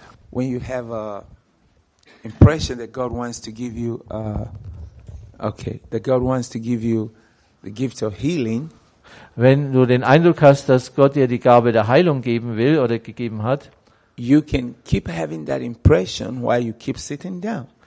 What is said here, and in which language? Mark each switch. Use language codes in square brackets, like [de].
[en] When you have a impression that God wants to give you, that God wants to give you the gift of healing. [de] Wenn du den Eindruck hast, dass Gott dir die Gabe der Heilung geben will oder gegeben hat, [en] you can keep having that impression while you keep sitting down.